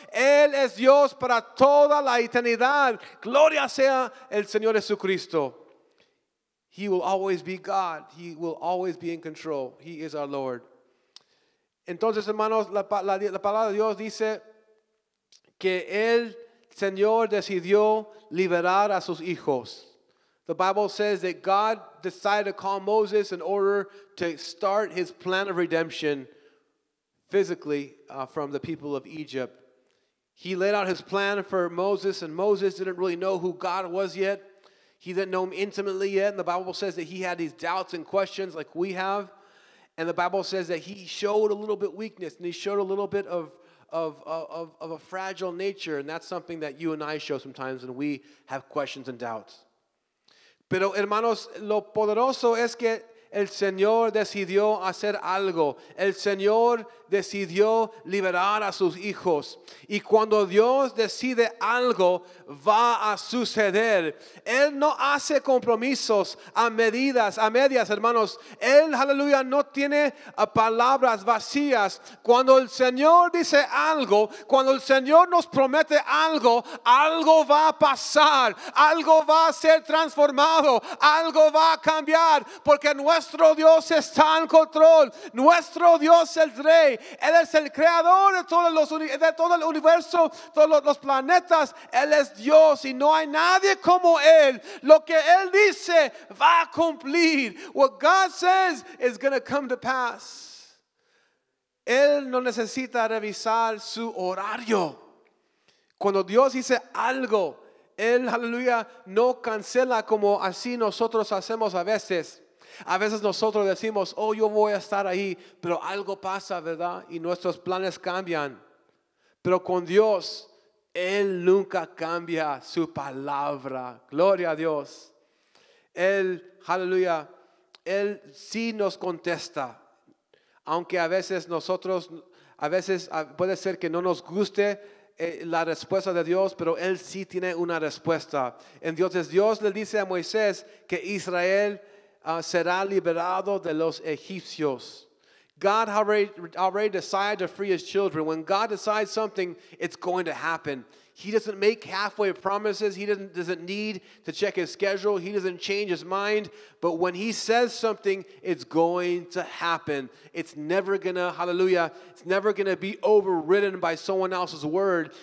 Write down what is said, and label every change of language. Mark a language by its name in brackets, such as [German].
[Spanish] Él es Dios para toda la eternidad. Gloria sea el Señor Jesucristo. [English] He will always be God. He will always be in control. He is our Lord. [Spanish] Entonces, hermanos, la palabra de Dios dice que el Señor decidió liberar a sus hijos. [English] The Bible says that God decided to call Moses in order to start his plan of redemption physically from the people of Egypt. He laid out his plan for Moses, and Moses didn't really know who God was yet. He didn't know him intimately yet. And the Bible says that he had these doubts and questions like we have. And the Bible says that he showed a little bit weakness, and he showed a little bit of a fragile nature. And that's something that you and I show sometimes, and we have questions and doubts. [Spanish] Pero, hermanos, lo poderoso es que el Señor decidió hacer algo. El Señor decidió liberar a sus hijos. Y cuando Dios decide algo, va a suceder. Él no hace compromisos a medias, hermanos. Él, aleluya, no tiene palabras vacías. Cuando el Señor dice algo, cuando el Señor nos promete algo, algo va a pasar. Algo va a ser transformado. Algo va a cambiar. Porque nuestro Dios está en control. Nuestro Dios es el Rey. Él es el creador de todo el universo, todos los planetas. Él es Dios y no hay nadie como Él. Lo que Él dice va a cumplir. [English] What God says is going to come to pass. [Spanish] Él no necesita revisar su horario. Cuando Dios dice algo, Él, aleluya, no cancela como así nosotros hacemos a veces. A veces nosotros decimos, oh, yo voy a estar ahí, pero algo pasa, ¿verdad? Y nuestros planes cambian. Pero con Dios, Él nunca cambia su palabra. Gloria a Dios. Él, aleluya, Él sí nos contesta. Aunque a veces nosotros, a veces puede ser que no nos guste la respuesta de Dios, pero Él sí tiene una respuesta. Entonces Dios le dice a Moisés que Israel será liberado de los egipcios. [English] God already decided to free his children. When God decides something, it's going to happen. He doesn't make halfway promises. He doesn't need to check his schedule. He doesn't change his mind. But when he says something, it's going to happen. It's never going to, hallelujah, it's never going to be overridden by someone else's word.